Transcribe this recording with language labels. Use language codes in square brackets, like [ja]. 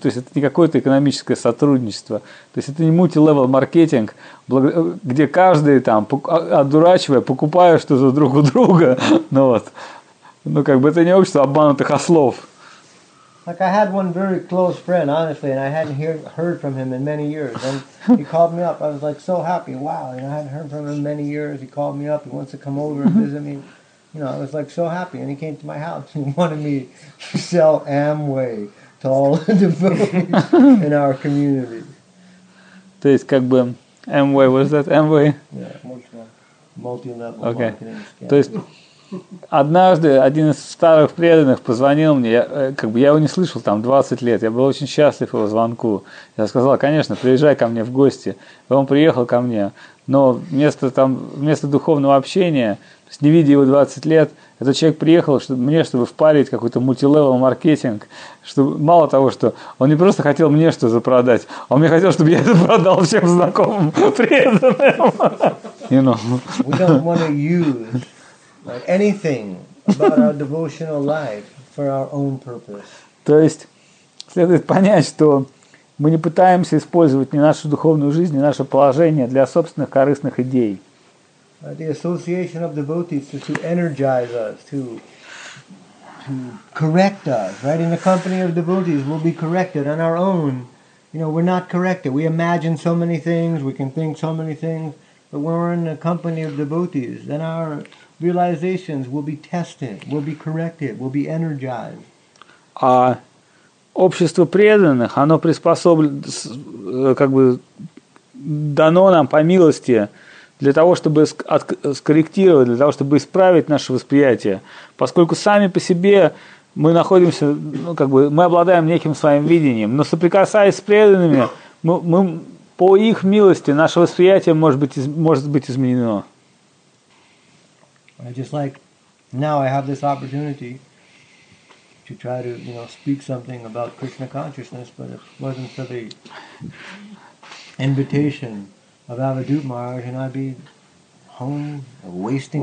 [ru] То есть это не какое-то экономическое сотрудничество. То есть это не мульти-левел маркетинг, где каждый там, одурачивая, покупая что-то друг у друга. Ну вот. Ну как бы это не общество обманутых ослов. [en] Like I had one very close friend, honestly, and I hadn't heard from him in many years. And he called me up. I was like so happy. Wow, you know, I hadn't heard from him in many years. He called me up. He wants to come over and visit me. You know, I was like so happy. And he came to my house. He wanted me to sell Amway to all the devotees in our community. [ru] То есть как бы Amway, [en] what is that? [ru] Amway? [en] Yeah, multi-level okay. Marketing scam. [ru] То есть... Однажды один из старых преданных позвонил мне, я его не слышал там 20 лет, я был очень счастлив его звонку. Я сказал, конечно, приезжай ко мне в гости. И он приехал ко мне, но вместо духовного общения, то есть не видя его 20 лет, этот человек приехал чтобы впарить какой-то мультилевел маркетинг, чтобы мало того, что он не просто хотел мне что-то продать, он мне хотел, чтобы я это продал всем знакомым преданным. [en] You know. We don't want to use like anything about our devotional life for our own purpose. [ru] То есть следует понять, что мы не пытаемся использовать ни нашу духовную жизнь, ни наше положение для собственных корыстных идей. [en] The association of devotees is to energize us, to correct us, right? In the company of devotees, we'll be corrected on our own. You know, we're not corrected. We imagine so many things, we can think so many things, but when we're in the company of devotees, then our realizations will be tested, will be corrected, will be energized. [ru] А общество преданных, оно приспособлено, как бы дано нам по милости для того, чтобы скорректировать, для того, чтобы исправить наше восприятие. Поскольку сами по себе мы находимся, ну, как бы, мы обладаем неким своим видением, но соприкасаясь с преданными, мы по их милости наше восприятие может быть изменено. [en] Just like now I have this opportunity to try to, you know, speak something about Krishna consciousness, but if it wasn't for the invitation of Avadhut Maharaj, and I'd be home wasting.